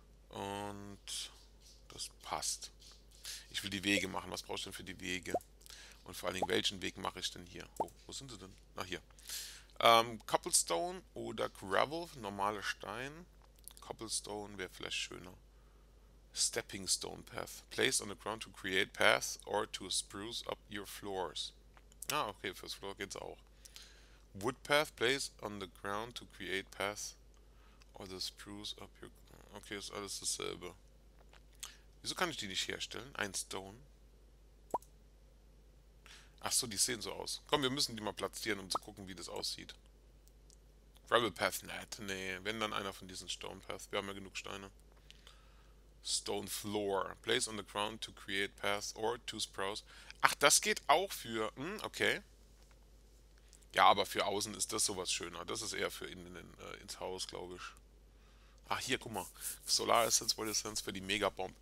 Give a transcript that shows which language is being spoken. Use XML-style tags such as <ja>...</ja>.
<de>Und das passt. Ich will die Wege machen. Was brauche ich denn für die Wege? Und vor allen Dingen, welchen Weg mache ich denn hier? Oh, wo sind sie denn? Ach, hier. Cobblestone oder Gravel, normale Stein. Cobblestone wäre vielleicht schöner.</de> <en>Stepping Stone Path. Place on the ground to create paths or to spruce up your floors.</en> <de>Ah, okay, fürs Floor geht's auch.</de> <en>Wood Path, place on the ground to create paths or to spruce up your.</en> <de>Okay, ist alles dasselbe. Wieso kann ich die nicht herstellen? Ein Stone. Ach so, die sehen so aus. Komm, wir müssen die mal platzieren, um zu gucken, wie das aussieht. Gravel Path, net. Nee, wenn dann einer von diesen Stone Paths. Wir haben ja genug Steine.</de> <en>Stone Floor. Place on the ground to create paths or to sprouse.</en> <de>Ach, das geht auch für. Okay. Ja, aber für außen ist das sowas schöner. Das ist eher für innen ins Haus, glaube ich. Ach, hier, guck mal. Solar Essence,</de> <en>what is</en> <de>für die Mega Bomb.</de>